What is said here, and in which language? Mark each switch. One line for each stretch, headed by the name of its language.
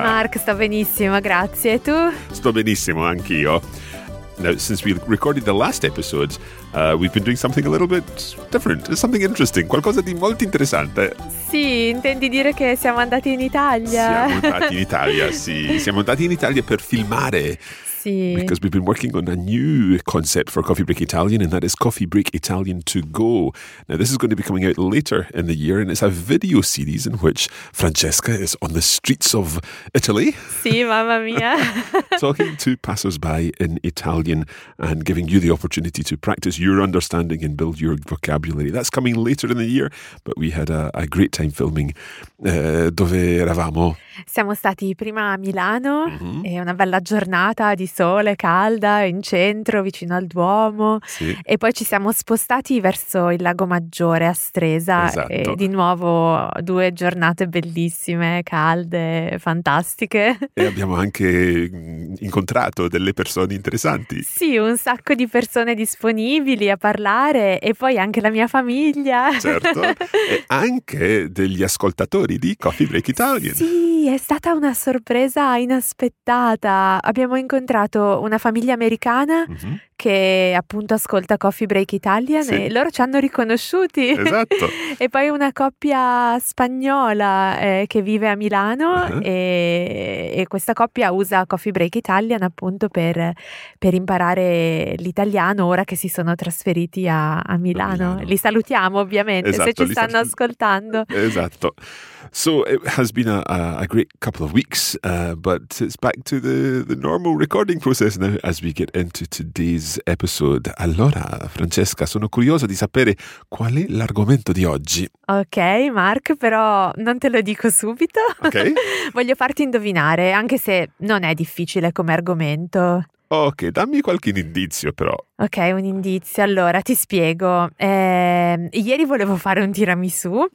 Italian: Mark, sto benissimo, grazie. E tu? Sto benissimo, anch'io.
English: Now, since we recorded the last episode, we've been doing something a little bit different, something interesting,
Italian: qualcosa di molto interessante. Sì, intendi dire che siamo andati in Italia. Siamo andati in Italia, sì. Siamo andati in Italia per filmare. Sì.
English: Because we've been working on a new concept for Coffee Break Italian, and that is Coffee Break Italian To Go. Now, this is going to be coming out later in the year, and it's a video series in which Francesca is on the streets of Italy.
Italian: Sì, mamma mia.
English: Talking to passers-by in Italian and giving you the opportunity to practice your understanding and build your vocabulary. That's coming later in the year, but we had a great time filming.
Italian: Dove eravamo? Siamo stati prima a Milano, mm-hmm. E una bella giornata di sole, calda, in centro, vicino al Duomo. Sì. E poi ci siamo spostati verso il Lago Maggiore a Stresa. Esatto. E di nuovo due giornate bellissime, calde, fantastiche. E abbiamo anche incontrato delle persone interessanti. Sì, un sacco di persone disponibili a parlare e poi anche la mia famiglia. Certo, e anche degli ascoltatori di Coffee Break Italian. Sì. È stata una sorpresa inaspettata. Abbiamo incontrato una famiglia americana, mm-hmm. che appunto ascolta Coffee Break Italian. Sì. E loro ci hanno riconosciuti. Esatto. E poi una coppia spagnola che vive a Milano, uh-huh. e questa coppia usa Coffee Break Italian appunto per imparare l'italiano ora che si sono trasferiti a Milano. Li salutiamo ovviamente. Esatto, se ci stanno ascoltando. Esatto.
English: So it has been a great couple of weeks, but it's back to the normal recording process now as we get into today's episode.
Italian: Allora, Francesca, sono curiosa di sapere qual è l'argomento di oggi. Ok, Mark, però non te lo dico subito. Ok. Voglio farti indovinare, anche se non è difficile come argomento. Ok, dammi qualche indizio però. Ok, un indizio. Allora, ti spiego. Ieri volevo fare un tiramisù,